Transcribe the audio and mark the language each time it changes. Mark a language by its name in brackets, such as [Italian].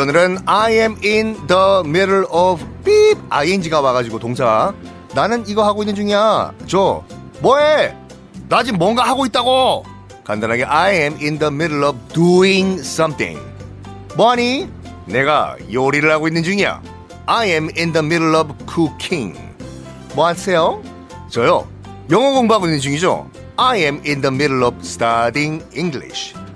[Korean] 오늘은 [English] I am in the middle of beep. [Korean] ing가 와가지고 동사. 나는 이거 하고 있는 중이야. 저 뭐해? 나 지금 뭔가 하고 있다고. 간단하게 [English] I am in the middle of doing something. [Korean] 뭐하니? 내가 요리를 하고 있는 중이야. [English] I am in the middle of cooking. [Korean] 뭐하세요? 저요? 영어 공부하고 있는 중이죠. [English] I am in the middle of studying English.